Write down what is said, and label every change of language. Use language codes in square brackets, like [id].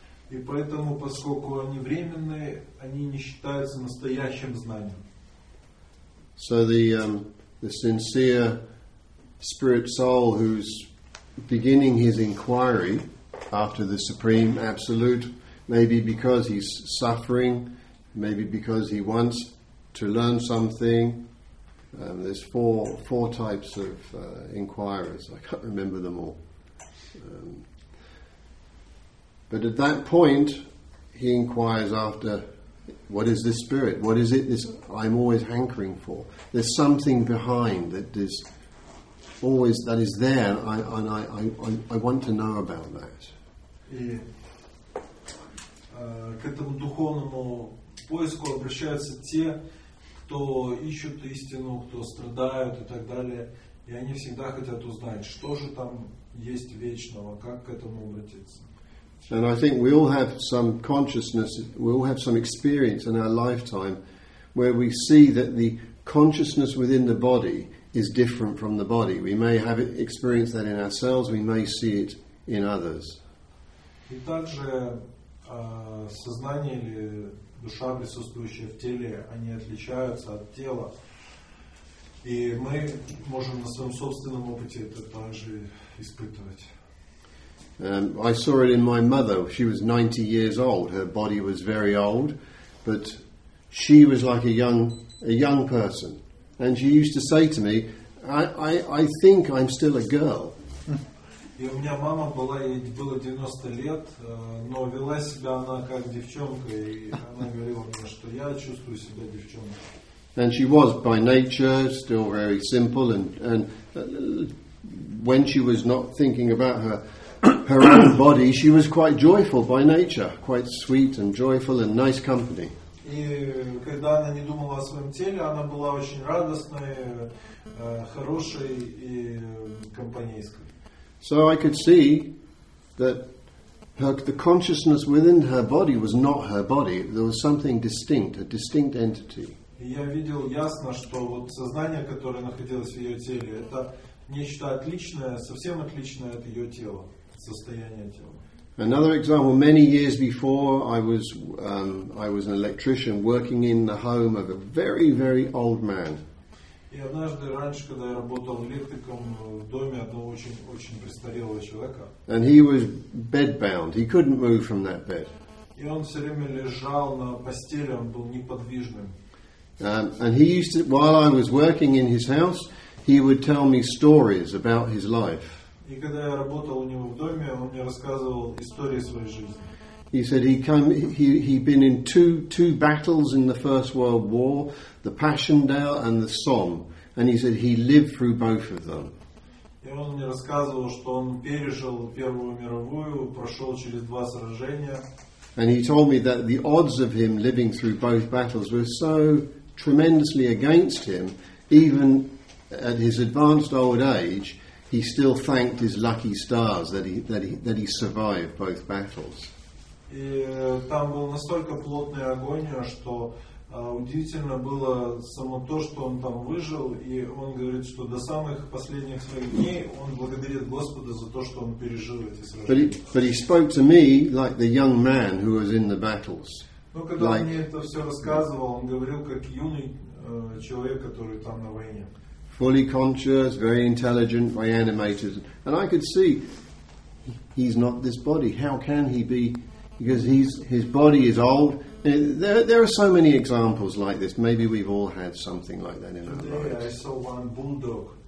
[ru] И поэтому, поскольку они временные, они не считаются настоящим знанием. [en] So the sincere spirit soul who's beginning his inquiry after the Supreme Absolute, maybe because he's suffering, maybe because he wants to learn something. There's four types of inquirers. I can't remember them all. But at that point, he inquires after, what is this spirit? What is it this I'm always hankering for? There's something behind that is always that is there, and I want to know about that. [ru] И к этому духовному поиску обращаются те, кто ищут истину, кто страдают и так далее, и они всегда хотят узнать, что же там есть вечного, как к этому обратиться. [en] And I think we all have some consciousness, we all have some experience in our lifetime where we see that the consciousness within the body is different from the body. We may have experienced that in ourselves, we may see it in others. [ru] И также сознание или душа, присутствующая в теле, они отличаются от тела. И мы можем на своем собственном опыте это также испытывать. [en] I saw it in my mother. She was 90 years old. Her body was very old, but she was like a young person. And she used to say to me, I think I'm still a girl. [ru] И у меня мама была, ей было 90 лет, но вела себя она как девчонка, и она говорила мне, что я чувствую себя девчонкой. [en] And she was by nature still very simple, and when she was not thinking about her own body, she was quite joyful by nature, quite sweet and joyful and nice company. [ru] И когда она не думала о своем теле, она была очень радостной, хорошей и компанейской. [en] So I could see that the consciousness within her body was not her body. There was something distinct, a distinct entity. [ru] Я видел ясно, что вот сознание, которое находилось в ее теле, это нечто отличное, совсем отличное от ее тела, состояние тела. [en] Another example: many years before, I was an electrician working in the home of a very, very old man. [ru] И однажды раньше, когда я работал электриком в доме одного очень-очень престарелого человека. [en] And he was bedbound. He couldn't move from that bed. [ru] И он все время лежал на постели, он был неподвижным. [en] And he used to, while I was working in his house, he would tell me stories about his life. [ru] И когда я работал у него в доме, он мне рассказывал истории своей жизни. [en] He said he'd been in two battles in the First World War, the Passchendaele and the Somme, and he said he lived through both of them. [ru] И он мне рассказывал, что он пережил Первую мировую, прошел через два сражения. [en] And he told me that the odds of him living through both battles were so tremendously against him, even at his advanced old age, he still thanked his lucky stars that he survived both battles. [ru] И там был настолько плотный огонь, что удивительно было само то, что он там выжил, и он говорит, что до самых последних своих дней он благодарит Господа за то, что он пережил эти сражения. [en] But he spoke to me like the young man who was in the battles. [ru] Но когда он мне это все рассказывал, он говорил как юный человек, который там на войне. [en] Fully conscious, very intelligent, very animated, and I could see he's not this body. How can he be? Because his body is old. There are so many examples like this. Maybe we've all had something like that in our lives. Today I saw one bulldog.